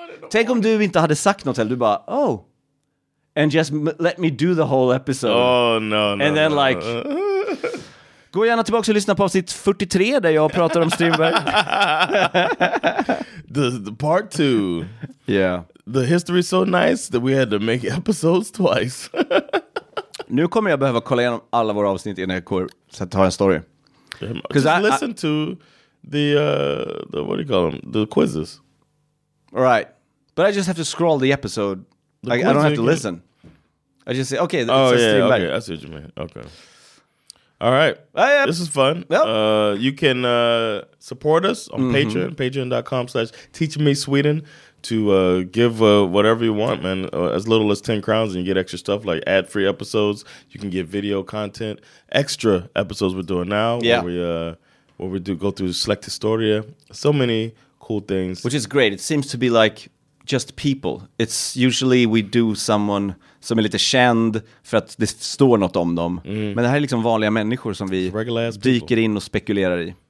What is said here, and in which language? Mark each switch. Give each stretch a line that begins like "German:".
Swedish: Tänk om du inte hade sagt något, eller du bara,
English: oh, and just let me do the whole episode. Oh, no, no. And then no. Like,
Swedish: gå gärna tillbaka och lyssna på avsnitt 43 där jag pratar om Strindberg.
English: The part two. Yeah. The history is so nice that we had to make episodes twice. Nu kommer jag behöva kolla igenom alla våra avsnitt innan jag går, så att jag tar en story. Just listen to the, what do you call them, the quizzes. Right. But I just have to scroll the episode. Like, I don't have to listen. I just say, okay, it's Streamback. Okay, I see what you mean. Okay. All right. This is fun. Yep. You can support us on Patreon, patreon.com/teachmesweden, to give whatever you want, man. As little as 10 crowns and you get extra stuff like ad-free episodes. You can get video content, extra episodes we're doing now. Yeah. Where we do go through Select Historia. So many cool things. Which is great. It seems to be like just people. It's usually we do someone
Swedish: som är lite känd för att det står något om dem. Mm. Men det här är liksom vanliga människor som vi dyker in och spekulerar i.